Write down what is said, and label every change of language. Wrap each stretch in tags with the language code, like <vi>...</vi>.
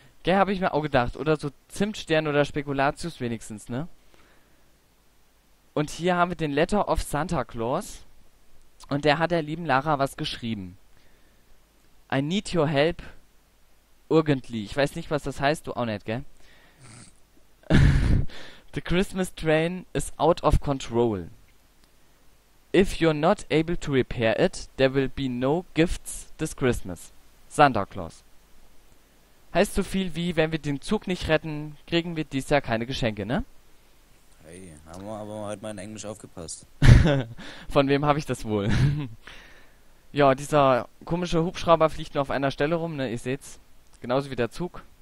<de>Gell, habe ich mir auch gedacht. Oder so Zimtstern oder Spekulatius wenigstens, ne? Und hier haben wir den Letter of Santa Claus. Und der hat der lieben Lara was geschrieben.</de> <en>I need your help. Urgently.</en> <de>Ich weiß nicht, was das heißt. Du auch nicht, gell?</de> <en>The Christmas train is out of control. If you're not able to repair it, there will be no gifts this Christmas. Santa Claus.</en> <de>Heißt so viel wie, wenn wir den Zug nicht retten, kriegen wir dies Jahr keine Geschenke, ne? Hey, haben wir aber halt mal in Englisch aufgepasst. Von wem habe ich das wohl? Ja, dieser komische Hubschrauber fliegt nur auf einer Stelle rum, ne, ihr seht's. Genauso wie der Zug.</de>